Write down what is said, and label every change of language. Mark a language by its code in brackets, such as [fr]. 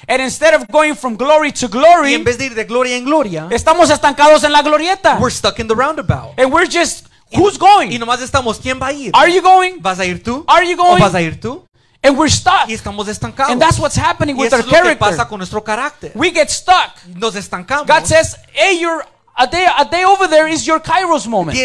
[en] And instead of going from glory to glory, [es] y en vez de ir de gloria en gloria, estamos estancados en la glorieta. [en] We're stuck in the roundabout. And we're just, who's going? [es] Y nomás estamos, ¿quién va a ir? [en] Are you going? [es] ¿Vas a ir tú? [en] Are you going? [es] ¿O vas a ir tú? [en] And we're stuck. [es] Y estamos estancados. [en] And that's what's happening [es] y [en] with our character. [es] Y eso es lo que pasa con nuestro carácter. [en] We get stuck. [es] Nos estancamos. [en] God says, "Hey, you're a day over there is your Kairos moment."